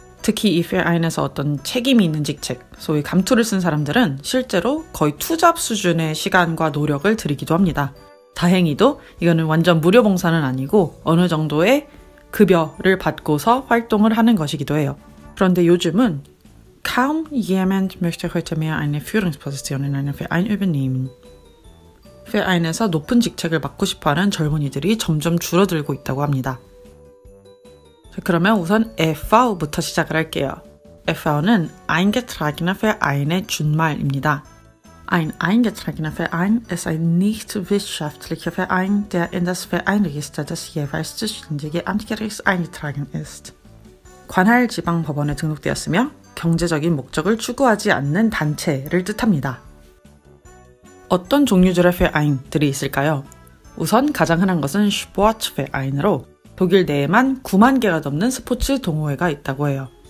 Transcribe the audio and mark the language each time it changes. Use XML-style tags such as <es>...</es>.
<ko>특히 이 Verein에서 어떤 책임이 있는 직책, 소위 감투를 쓴 사람들은 실제로 거의 투잡 수준의 시간과 노력을 들이기도 합니다. 다행히도 이거는 완전 무료 봉사는 아니고 어느 정도의 급여를 받고서 활동을 하는 것이기도 해요. 그런데 요즘은</ko> <de>Kaum jemand möchte heute mehr eine Führungsposition in einem Verein übernehmen.</de> <ko>Verein에서 높은 직책을 맡고 싶어하는 젊은이들이 점점 줄어들고 있다고 합니다. 자, 그러면 우선 FV부터 시작을 할게요. FV는 eingetragener Verein의 준말입니다.</ko> <de>Ein eingetragener Verein ist ein nicht wirtschaftlicher Verein, der in das Vereinregister des jeweils zuständigen Amtsgerichts eingetragen ist.</de> <ko>관할 지방 법원에 등록되었으며 경제적인 목적을 추구하지 않는 단체를 뜻합니다. 어떤 종류들의 Verein들이 있을까요? 우선 가장 흔한 것은 Sportverein으로 독일 내에만 9만 개가 넘는 스포츠 동호회가 있다고 해요.</ko>